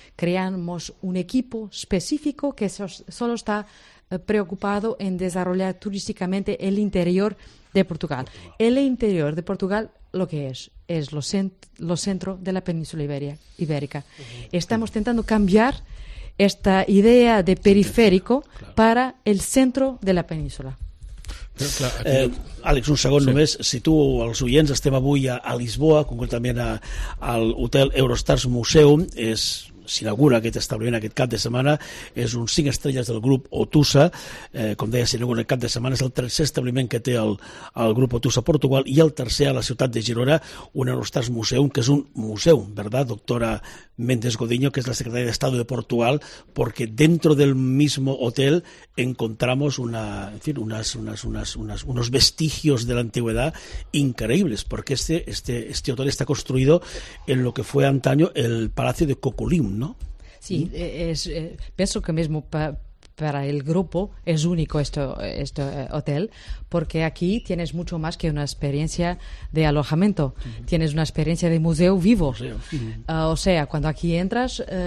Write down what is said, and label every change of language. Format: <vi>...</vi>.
<es>Creamos un equipo específico que solo está preocupado en desarrollar turísticamente el interior de Portugal. El interior de Portugal, lo que es lo centro de la península ibérica. Uh-huh. Estamos intentando cambiar esta idea de periférico, sí, claro, para el centro de la península.</es> <ca>Però, clar, aquí... Àlex, un segon, sí, només. Si tu, els oients, estem avui a Lisboa, concretament al Hotel Eurostars Museum, és... s'inaugura aquest establiment aquest cap de setmana, és un 5 estrelles del grup Otusa, com deia, s'inaugura el cap de setmana, és el tercer establiment que té el grup Otusa a Portugal i el tercer a la ciutat de Girona, un Eurostars Museum, que és un museu, ¿verdad, doctora Méndez Godiño, que és la secretària d'Estat de Portugal, perquè</ca> <es>dentro del mismo hotel encontramos una, en fin, unos vestigios de la antigüedad increíbles, porque este hotel está construido en lo que fue antaño el Palacio de Coculín, ¿no? Sí, pienso que mismo para el grupo es único este hotel, porque aquí tienes mucho más que una experiencia de alojamiento, tienes una experiencia de museo vivo. O sea, cuando aquí entras,</es>